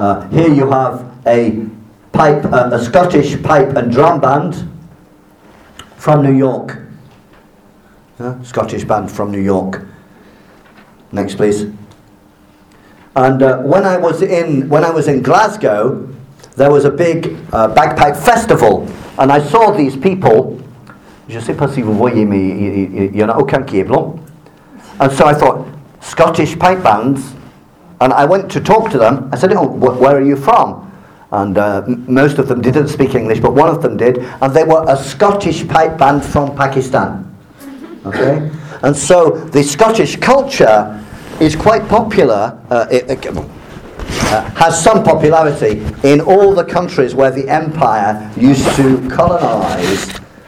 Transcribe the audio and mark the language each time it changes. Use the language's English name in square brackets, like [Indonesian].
[English] Here you have a Scottish pipe and drum band from New York. Scottish band from New York. Next, please. And when I was in Glasgow, there was a big bagpipe festival, and I saw these people. [French] Je sais pas si vous voyez mais il y en a aucun qui est blanc. [English] And so I thought, Scottish pipe bands, and I went to talk to them. I said, "Oh, where are you from?" And most of them didn't speak English, but one of them did, and they were a Scottish pipe band from Pakistan. Okay, and so the Scottish culture is quite popular, has some popularity in all the countries where the empire used to colonize.